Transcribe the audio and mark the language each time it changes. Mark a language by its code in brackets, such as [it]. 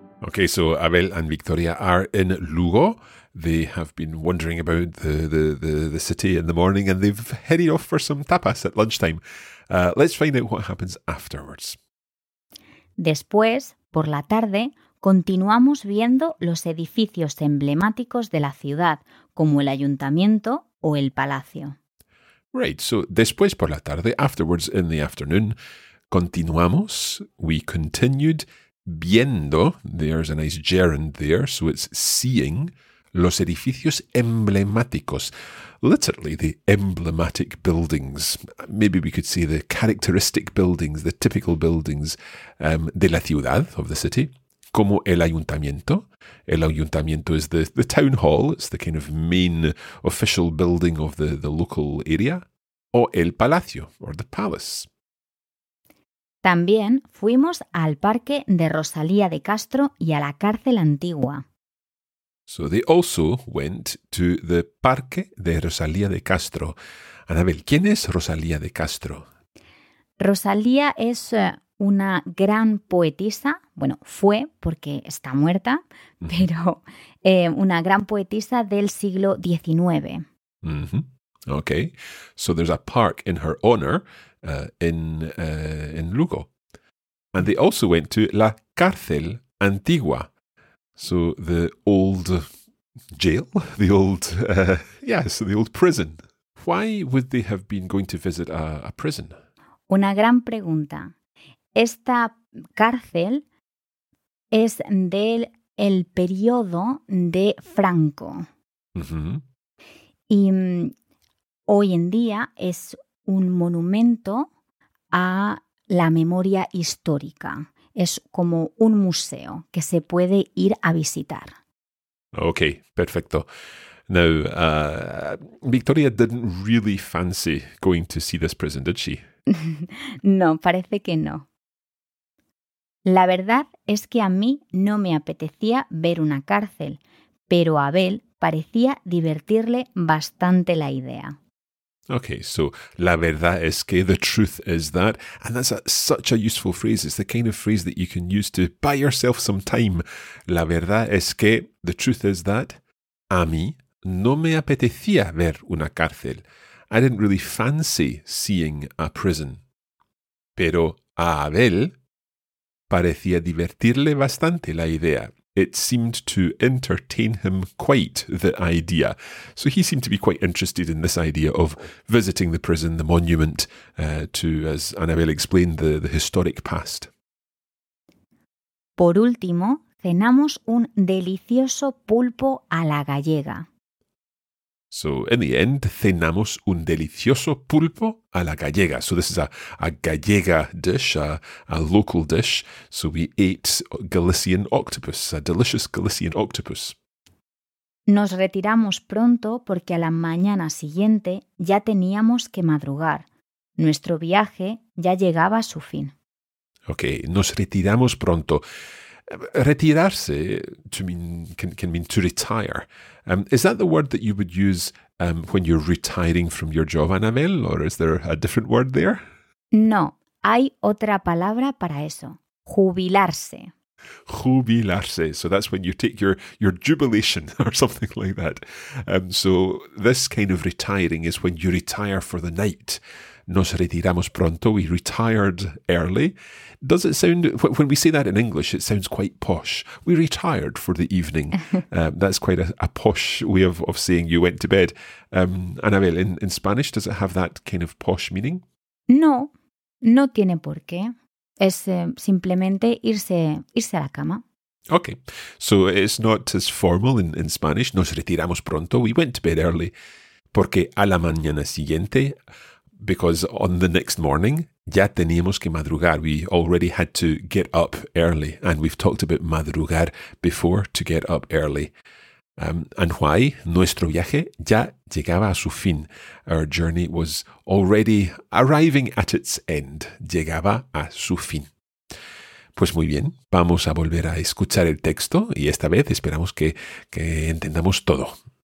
[en] Okay, so Abel and Victoria are in Lugo. They have been wandering about the city in the morning and they've headed off for some tapas at lunchtime. Let's find out what happens afterwards. [es] Después, por la tarde, continuamos viendo los edificios emblemáticos de la ciudad, como el ayuntamiento o el palacio. [en] Right, so [es] después por la tarde, [en] afterwards in the afternoon, continuamos, we continued, viendo, there's a nice gerund there, so it's seeing [es] los edificios emblemáticos. [en] Literally, the emblematic buildings. Maybe we could say the characteristic buildings, the typical buildings [es] de la ciudad, [en] of the city. [es] Como el ayuntamiento. El ayuntamiento [en] is the town hall. It's the kind of main official building of the local area. [es] O el palacio, [en] or the palace. [es] También fuimos al parque de Rosalía de Castro y a la cárcel antigua. [en] So they also went to the Parque de Rosalía de Castro. [es] Anabel, ¿quién es Rosalía de Castro? Rosalía es una gran poetisa. Bueno, fue porque está muerta, pero una gran poetisa del siglo XIX. Mm-hmm. [en] Okay, so there's a park in her honor in Lugo. And they also went to [es] la cárcel antigua. [en] So the old jail, the old, the old prison. Why would they have been going to visit a prison? [es] Una gran pregunta. Esta cárcel es del el periodo de Franco. Mm-hmm. Y hoy en día es un monumento a la memoria histórica. Es como un museo que se puede ir a visitar. [en] Okay, perfecto. Now, Victoria didn't really fancy going to see this prison, did she? [es] No, parece que no. La verdad es que a mí no me apetecía ver una cárcel, pero a Abel parecía divertirle bastante la idea. [en] Okay, so [es] la verdad es que, [en] the truth is that, and that's such a useful phrase. It's the kind of phrase that you can use to buy yourself some time. [es] La verdad es que, [en] the truth is that, [es] a mí no me apetecía ver una cárcel. [en] I didn't really fancy seeing a prison. [es] Pero a Abel parecía divertirle bastante la idea. [en] It seemed to entertain him quite, the idea. So he seemed to be quite interested in this idea of visiting the prison, the monument, to, as Annabelle explained, the historic past. [es] Por último, cenamos un delicioso pulpo a la gallega. [en] So in the end, [es] cenamos un delicioso pulpo a la gallega. [en] So this is a gallega dish, a local dish. So we ate Galician octopus, a delicious Galician octopus. [es] Nos retiramos pronto porque a la mañana siguiente ya teníamos que madrugar. Nuestro viaje ya llegaba a su fin. [en] Okay, [es] nos retiramos pronto. [en] Retirarse can mean to retire. Is that the word that you would use when you're retiring from your job, Anabel, or is there a different word there? [es] No, hay otra palabra para eso. Jubilarse. Jubilarse. [en] So that's when you take your jubilation or something like that. So this kind of retiring is when you retire for the night. [es] Nos retiramos pronto. [en] We retired early. Does it sound, when we say that in English, it sounds quite posh. We retired for the evening. That's quite a posh way of saying you went to bed. Anabel, in Spanish, does it have that kind of posh meaning? [es] No, no tiene por qué. Es simplemente irse a la cama. [en] Okay, so it's not as formal in Spanish. [es] Nos retiramos pronto. [en] We went to bed early. [es] Porque a la mañana siguiente, [en] because on the next morning, [es] ya teníamos que madrugar. [en] We already had to get up early. And we've talked about madrugar before, to get up early. And why? [es] Nuestro viaje ya llegaba a su fin. [en] Our journey was already arriving at its end. [es] Llegaba a su fin. Pues muy bien, vamos a volver a escuchar el texto y esta vez esperamos que entendamos todo.